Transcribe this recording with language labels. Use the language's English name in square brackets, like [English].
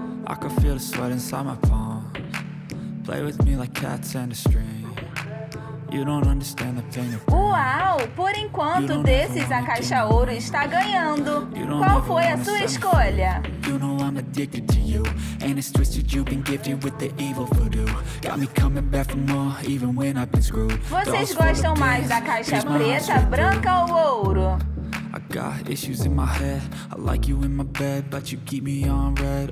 [English] I can feel the sweat inside my palms. Play with me like cats and a string. You don't understand the pain of pain. Uau! [Portuguese] Por enquanto, desses, a caixa ouro está ganhando. Qual foi a sua escolha? [English] You know I'm addicted to you. And it's twisted you've been gifted with the evil voodoo. Got me coming back for more, even when I've been screwed. [Portuguese] Vocês gostam mais da caixa preta, branca ou ouro? [English] I got issues in my head. I like you in my bed, but you keep me on red.